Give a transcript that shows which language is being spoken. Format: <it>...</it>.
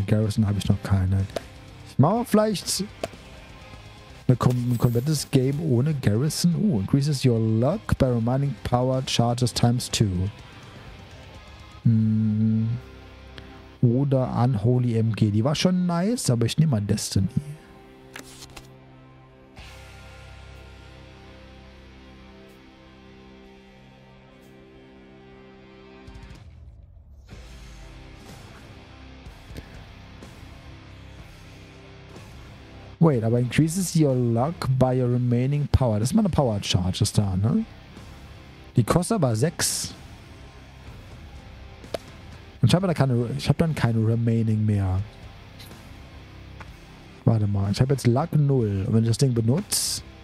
<de>Ich mache mal vielleicht ein komplettes Game ohne Garrison.</de> <en>Oh, increases your luck by remaining power charges times 2.</en> <de>Oder Unholy MG. Die war schon nice, aber ich nehme mal Destiny.</de> <en>Wait, aber increases your luck by your remaining power.</en> <de>Das ist mal eine Power Charge, ist da, ne? Die kostet aber 6. Und ich habe dann keine Remaining mehr. Warte mal, ich habe jetzt Luck 0. Und wenn ich das Ding benutze.</de>